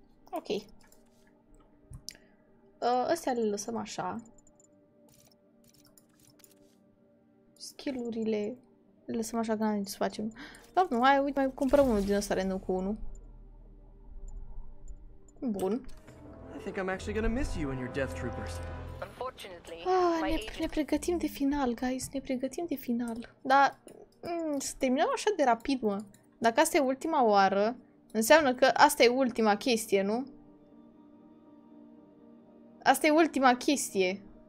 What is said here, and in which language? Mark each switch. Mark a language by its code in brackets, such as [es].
[ro] Ok. Astea le lăsăm așa. Skill-urile le lăsăm așa că n-am nici să facem. Doamne, hai, uite, mai cumpărăm unul din ăsta random cu unul. Bun. [en] I think I'm actually gonna miss you and your death troopers. Unfortunately, [ro] ne pregătim de final, guys, ne pregătim de final. Dar se terminăm așa de rapid, mă. Dacă asta e ultima oară, înseamnă că asta e ultima chestie, nu? Asta e ultima chestie.